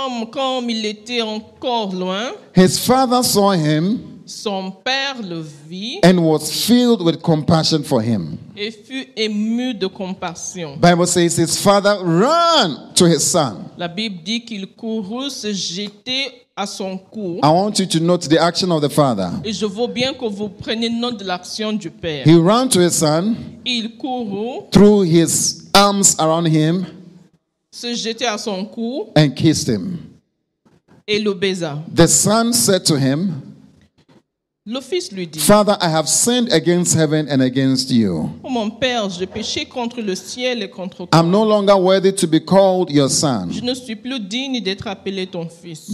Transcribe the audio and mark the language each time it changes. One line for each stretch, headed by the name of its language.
French: Comme il était encore loin.
English: His father saw him.
French: Son père le vit.
English: And was filled with compassion for him.
French: Et fut ému de compassion.
English: Bible says his father ran to his son.
French: La Bible dit qu'il courut se jeter à son cou.
English: I want you to note the action of the father.
French: Et je veux bien que vous preniez note de l'action du père.
English: He ran to his son.
French: Il courut.
English: Threw his arms around him.
French: Se jeter à son cou.
English: And kissed him.
French: Et le baisa.
English: The son said to him,
French: le fils lui dit,
English: Father, I have sinned against heaven and against you.
French: Mon père, j'ai péché contre le ciel et contre toi.
English: I'm no longer worthy to be called your son.
French: Je ne suis plus digne d'être appelé ton fils.